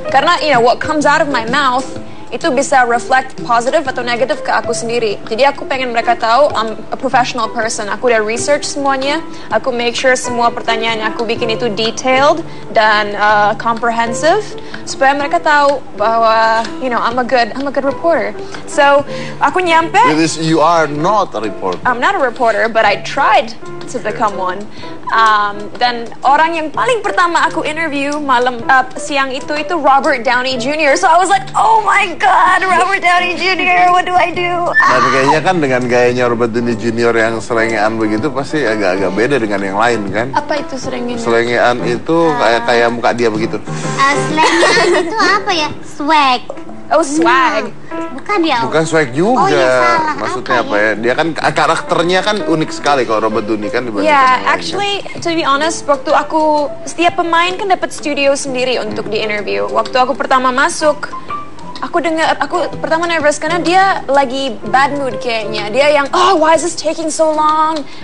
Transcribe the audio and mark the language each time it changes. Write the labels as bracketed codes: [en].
[en] Karena you know what comes out of my mouth [id] itu bisa [en] reflect positive atau negative [id] ke aku sendiri. Jadi aku pengen mereka tahu [en] I'm a professional person. [id] Aku udah research semuanya. Aku make sure semua pertanyaan yang aku bikin itu detailed dan comprehensive supaya mereka tahu bahwa [en] you know I'm a good reporter. [id] So aku nyampe. [en] You are not a reporter. I'm not a reporter, but I tried to become one. [id] Dan orang yang paling pertama aku interview malam siang itu Robert Downey Jr. [en] So I was like, oh my god, Robert Downey Jr., what do I do? [id] Dan kayaknya kan dengan gayanya Robert Downey Jr. yang selengean begitu pasti agak-agak beda dengan yang lain kan? Apa itu selengean? Selengean itu kayak muka dia begitu. Selengean itu apa ya? Swag. [en] Oh, swag. [id] Bukan dia. Bukan swag juga. Oh, ya, salah. Maksudnya apa ya? Dia kan karakternya kan unik sekali kalau Robert Downey kan dibandingkan. [en] Yeah, actually to be honest, [id] waktu aku setiap pemain kan dapat studio sendiri untuk di interview. Waktu aku pertama masuk, aku pertama nervous karena dia lagi [en] bad mood [id] kayaknya. Dia yang, [en] "Oh, why is this taking so long?